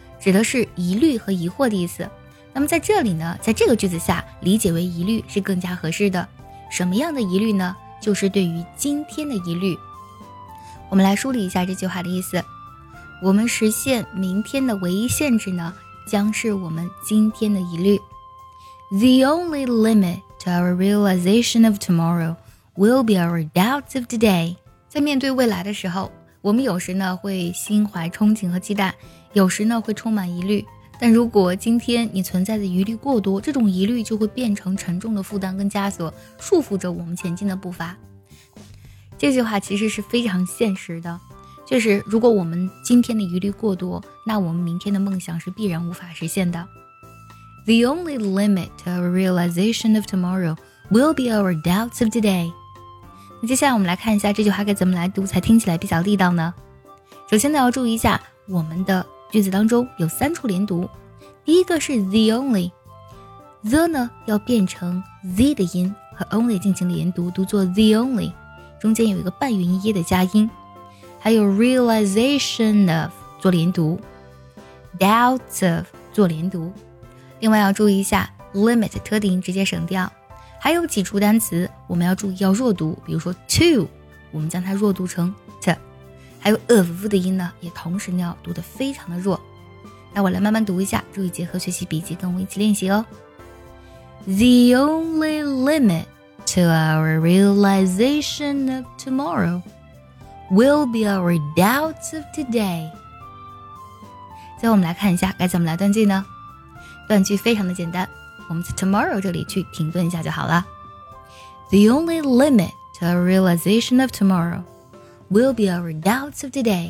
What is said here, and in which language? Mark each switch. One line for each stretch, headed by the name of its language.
Chinese: 指的是疑虑和疑惑的意思。那么在这里呢，在这个句子下理解为疑虑是更加合适的。什么样的疑虑呢？就是对于今天的疑虑。我们来梳理一下这句话的意思。我们实现明天的唯一限制呢，将是我们今天的疑虑。
English: The only limit to our realization of tomorrow will be our doubts of today.
Chinese: 在面对未来的时候，我们有时呢会心怀憧憬和期待，有时呢会充满疑虑，但如果今天你存在的疑虑过多，这种疑虑就会变成沉重的负担跟枷锁，束缚着我们前进的步伐。这句话其实是非常现实的，就是如果我们今天的疑虑过多，那我们明天的梦想是必然无法实现的。
English: The only limit to our realization of tomorrow will be our doubts of today.
Chinese: 那接下来我们来看一下这句话该怎么来读才听起来比较地道呢？首先呢要注意一下我们的句子当中有三处连读，第一个是 the only， the 呢要变成 z 的音，和 only 进行连读，读作 the only， 中间有一个半元一的加音，还有 realization of 做连读， doubts of 做连读，另外要注意一下 limit 特定直接省掉，还有几处单词我们要注意要弱读，比如说 to 我们将它弱读成 t，还有 of 的音呢也同时要读得非常的弱。那我来慢慢读一下，注意结合学习笔记跟我一起练习哦。
English: The only limit to our realization of tomorrow will be our doubts of today.
Chinese: 最后我们来看一下该怎么来断句呢？断句非常的简单，我们在 tomorrow 这里去停顿一下就好了。
English: The only limit to our realization of tomorrow will be our doubts of today.